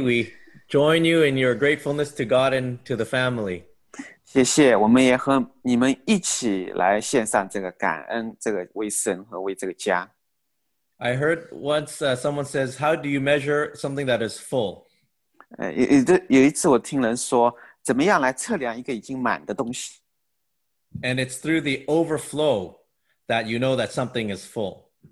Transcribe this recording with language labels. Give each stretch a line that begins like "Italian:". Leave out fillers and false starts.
English: We join you in your gratefulness to God and to the family.
Chinese: 谢谢，我们也和你们一起来献上这个感恩，这个为神和为这个家。
English: I heard once someone says, "How do you measure something that is full?"
Chinese: 有一次我听人说，怎么样来测量一个已经满的东西？
English: And it's through the overflow that you know that something is full.